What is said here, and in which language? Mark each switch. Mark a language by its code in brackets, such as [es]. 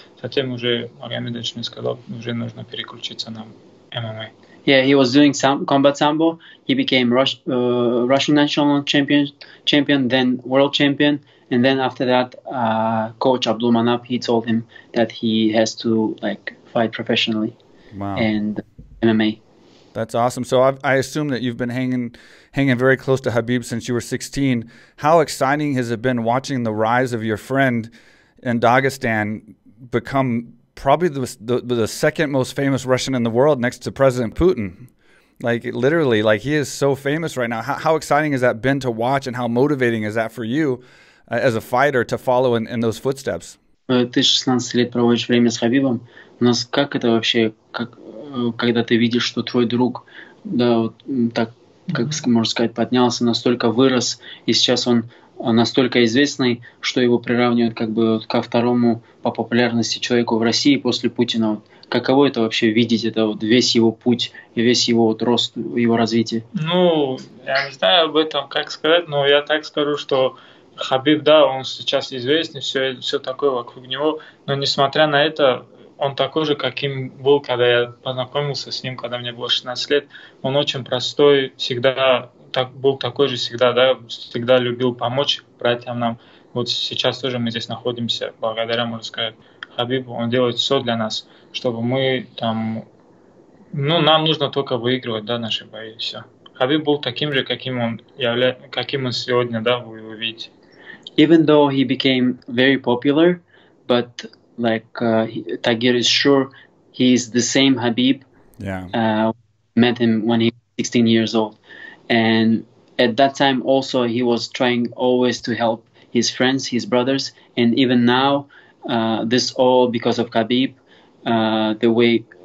[ru] Затем уже Магомедович мне сказал, уже нужно переключиться на ММА. [en] Yeah, he was doing some combat sambo. He became Russian national champion, then world champion, and then after that, coach Abdulmanap, he told him that he has to like fight professionally. Wow. And MMA. That's awesome. So I assume that you've been hanging very close to Khabib since you were 16. How exciting has it been watching the rise of your friend in Dagestan become probably the second most famous Russian in the world next to President Putin? Like literally, like he is so famous right now. How exciting has that been to watch, and how motivating is that for you as a fighter to follow in those footsteps? [ru] Ты 16 лет проводишь время с Хабибом. У нас как это вообще, как когда ты видишь, что твой друг, да, вот так, как можно сказать, поднялся, настолько вырос, и сейчас он настолько известный, что его приравнивают как бы вот ко второму по популярности человеку в России после Путина. Вот, каково это вообще видеть, это вот весь его путь и весь его вот рост, его развитие? Ну, я не знаю об этом, как сказать, но я так скажу, что Хабиб, да, он сейчас известный, все такое вокруг него, но несмотря на это, он такой же, каким был, когда я познакомился с ним, когда мне было 16 лет. Он очень простой, всегда был такой же, всегда, да, всегда любил помочь братьям нам. Вот сейчас тоже мы здесь находимся, благодаря, можно сказать, Хабибу. Он делает все для нас, чтобы мы там, ну, нам нужно только выигрывать, да, наши бои, и все. Хабиб был таким же, каким он каким он сегодня, да, вы его видите. [en] Even though he became very popular, but like Tagir is sure he is the same Khabib. Yeah. Met him when he was 16 years old, and at that time also he was trying always to help his friends, his brothers, and even now this all because of Khabib. The way